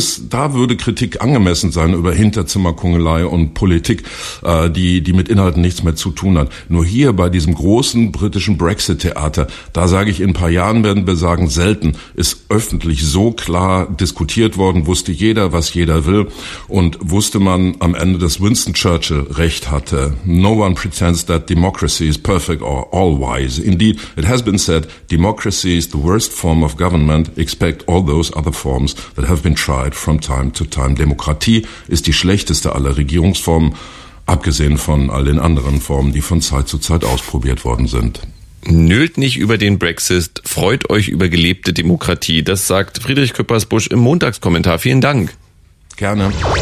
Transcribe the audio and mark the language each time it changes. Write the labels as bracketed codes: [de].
[de] Da würde Kritik angemessen sein über Hinterzimmerkungelei und Politik, die mit Inhalten nichts mehr zu tun hat. Nur hier bei diesem großen britischen Brexit-Theater, da sage ich, in ein paar Jahren werden wir sagen, selten ist öffentlich so klar diskutiert worden, wusste jeder, was jeder will, und wusste man am Ende, dass Winston Churchill recht hatte. [en] No one pretends that democracy is perfect or all wise. Indeed, it has been said, democracy is the worst form of government. Expect all those other forms that have been tried from time to time. [de] Demokratie ist die schlechteste aller Regierungsformen, abgesehen von all den anderen Formen, die von Zeit zu Zeit ausprobiert worden sind. Nölt nicht über den Brexit, freut euch über gelebte Demokratie. Das sagt Friedrich Küppersbusch im Montagskommentar. Vielen Dank. Gerne.